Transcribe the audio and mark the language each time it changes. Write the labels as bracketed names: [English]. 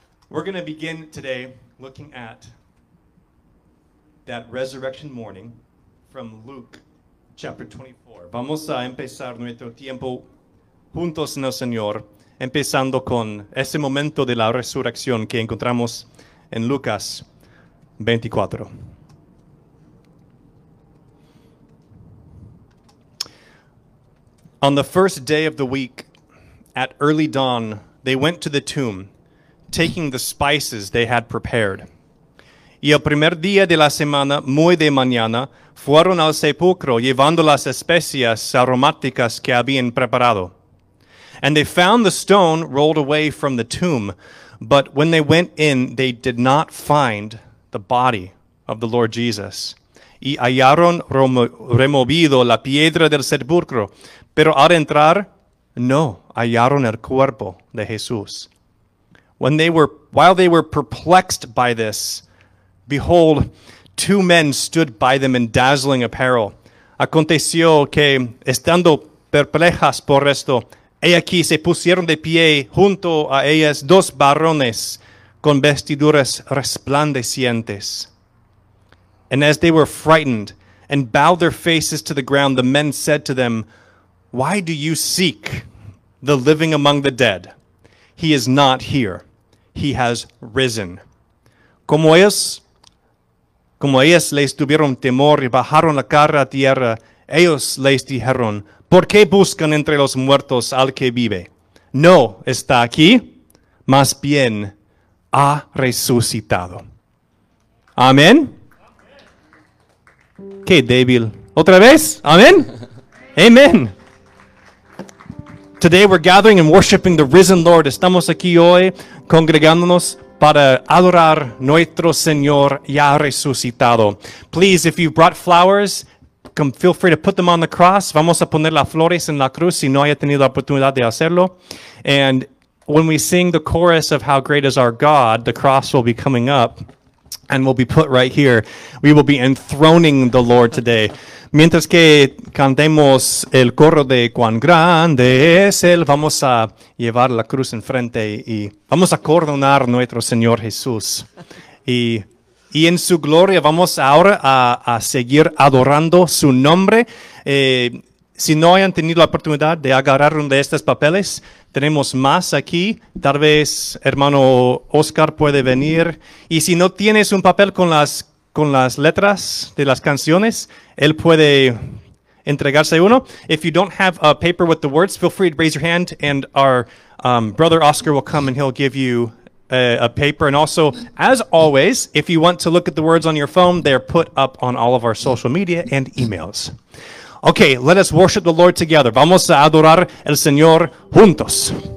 [English] We're going to begin today looking at that resurrection morning from Luke chapter 24. [Spanish] Vamos a empezar nuestro tiempo juntos en el Señor, empezando con ese momento de la resurrección que encontramos en Lucas 24. [English] On the first day of the week, at early dawn, they went to the tomb, taking the spices they had prepared. [Spanish] Y el primer día de la semana, muy de mañana, fueron al sepulcro llevando las especias aromáticas que habían preparado. [English] And they found the stone rolled away from the tomb, but when they went in, they did not find the body of the Lord Jesus. [Spanish] Y hallaron removido la piedra del sepulcro, pero al entrar, no hallaron el cuerpo de Jesús. [English] While they were perplexed by this, behold, two men stood by them in dazzling apparel. [Spanish] Aconteció que, estando perplejas por esto, he aquí se pusieron de pie junto a ellas dos varones con vestiduras resplandecientes. [English] And as they were frightened and bowed their faces to the ground, the men said to them, "Why do you seek the living among the dead? He is not here. He has risen." [Spanish] Como ellas les tuvieron temor y bajaron la cara a tierra, ellos les dijeron, "¿Por qué buscan entre los muertos al que vive? No está aquí, más bien ha resucitado." Amén. Qué débil. Otra vez. Amén. Amén. [English] Today we're gathering and worshiping the risen Lord. [Spanish] Estamos aquí hoy congregándonos para adorar nuestro Señor ya resucitado. [English] Please, if you brought flowers, come feel free to put them on the cross. [Spanish] Vamos a poner las flores en la cruz si no haya tenido la oportunidad de hacerlo. [English] And when we sing the chorus of "How Great Is Our God," the cross will be coming up and will be put right here. We will be enthroning the Lord today. [Spanish] Mientras que cantemos el coro de "Cuán grande es Él", vamos a llevar la cruz enfrente y vamos a coronar nuestro Señor Jesús. Y en su gloria vamos ahora a seguir adorando su nombre. Si no hayan tenido la oportunidad de agarrar uno de estos papeles, tenemos más aquí. Tal vez hermano Oscar puede venir. Y si no tienes un papel con las letras de las canciones, él puede entregarse uno. [English] If you don't have a paper with the words, feel free to raise your hand and our brother Oscar will come and he'll give you a paper. And also, as always, if you want to look at the words on your phone, they're put up on all of our social media and emails. Okay, let us worship the Lord together. [Spanish] Vamos a adorar el Señor juntos.